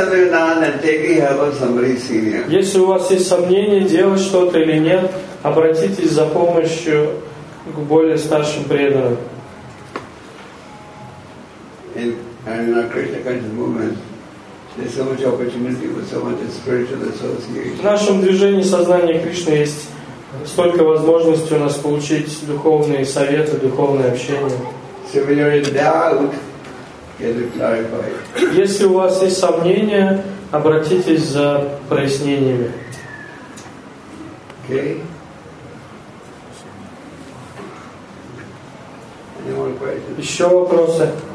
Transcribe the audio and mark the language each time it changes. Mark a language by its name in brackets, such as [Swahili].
[Russian] Если у вас есть сомнения, делать что-то или нет, обратитесь за помощью к более старшим преданным. [English] And in our Krishna conscious movement, there's so much opportunity with so much spiritual association. [Russian] В нашем движении сознания Кришны есть столько возможностей у нас получить духовные советы, духовное общение. [English] So when you're in doubt, get it clarified. [Russian] Если у вас есть сомнения, обратитесь за прояснениями. [English] Okay. Any more questions? [Russian] Еще вопросы?